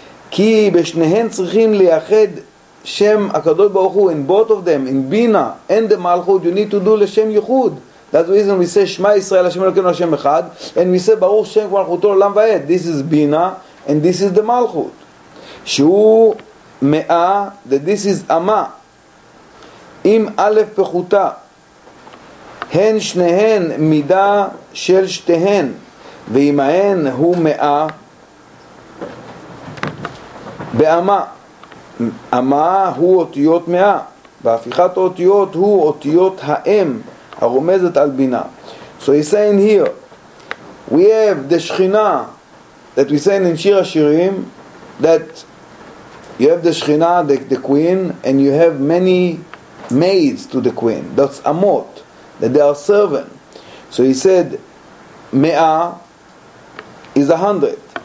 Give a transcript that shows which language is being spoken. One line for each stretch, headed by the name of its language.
Hebrew: Ki b'shnehen tzrichim liyached Shem HaKadosh Baruch Hu,
English: in both of them, in Bina and the Malchut, you need to do l'shem Yichud. That's the reason we say
Hebrew: Shema Yisrael, Hashem Elokeinu, Hashem Echad,
English: and we say
Hebrew: Baruch Shem Malchuto Olam Vaed.
English: This is Bina, and this is the Malchut.
Hebrew: Shehu Me'a,
English: that this is Ama.
Hebrew: Im Aleph Pechuta, הן שניהן מידה של שתיהן, ואימהן הוא מאה באמה. אמה הוא אותיות מאה, והפיכת האותיות הוא אותיות האם, הרומזת על בינה.
English: So he's saying here, we have the שכינה, that we say in שיר השירים, that you have the שכינה, the queen, and you have many maids to the queen. That's אמות. That they are servant. So he said, Me'a is 100.